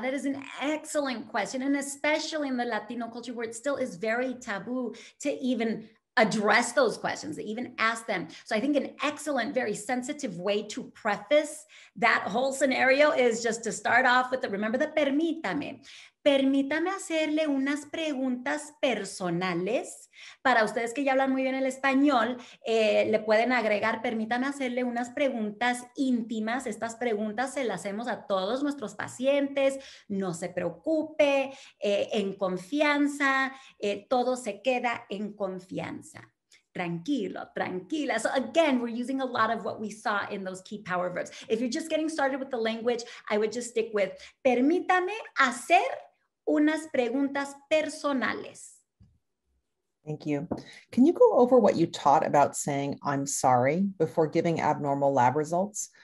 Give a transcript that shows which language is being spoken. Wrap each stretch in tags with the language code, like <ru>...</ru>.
<en>That is an excellent question. And especially in the Latino culture where it still is very taboo to even address those questions, to even ask them. So I think an excellent, very sensitive way to preface that whole scenario is just to start off with the, remember the permítame.</en> <es>Permítame hacerle unas preguntas personales. Para ustedes que ya hablan muy bien el español, le pueden agregar, permítame hacerle unas preguntas íntimas. Estas preguntas se las hacemos a todos nuestros pacientes. No se preocupe, en confianza, todo se queda en confianza. Tranquilo, tranquila.</es> <en>So again, we're using a lot of what we saw in those key power verbs. If you're just getting started with the language, I would just stick with,</en> <es>permítame hacer unas preguntas personales.</es> <en>Thank you. Can you go over what you taught about saying I'm sorry before giving abnormal lab results?</en>